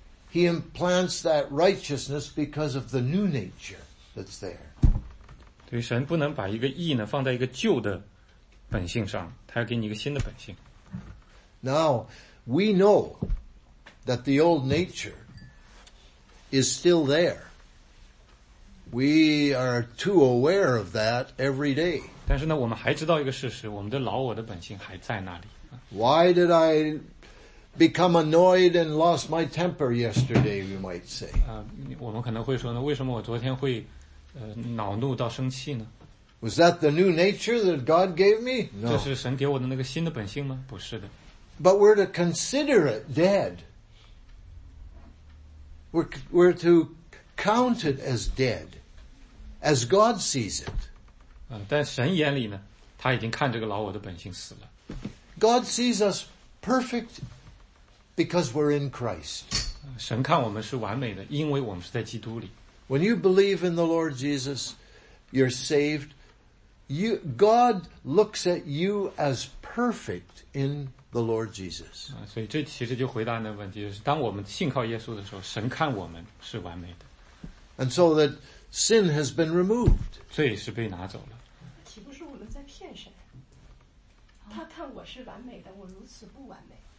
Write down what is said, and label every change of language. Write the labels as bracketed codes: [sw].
[en] He implants that righteousness because of the new nature that's there. [zh] 对，神不能把一个义呢放在一个旧的本性上，他要给你一个新的本性。 [en] Now, we know that the old nature is still there. We are too aware of that every day. [zh] 但是呢，我们还知道一个事实，我们的老我的本性还在那里。 [en] Why did I... become annoyed and lost my temper yesterday, you might say. [zh] 我们可能会说呢，为什么我昨天会恼怒到生气呢？ [en] Was that the new nature that God gave me? No. [zh] 这是神给我的那个新的本性吗？不是的。 [en] But we're to consider it dead. We're to count it as dead, as God sees it. [zh] 但神眼里呢，他已经看这个老我的本性死了。 [en] God sees us perfect. Because we're in Christ. [zh] 神看我们是完美的，因为我们是在基督里。 [en] When you believe in the Lord Jesus, you're saved. God looks at you as perfect in the Lord Jesus. [zh] 所以这其实就回答那问题，就是当我们信靠耶稣的时候，神看我们是完美的。 [en] And so that sin has been removed. [zh] 罪是被拿走了。岂不是我们在骗神？他看我是完美的，我如此不完美。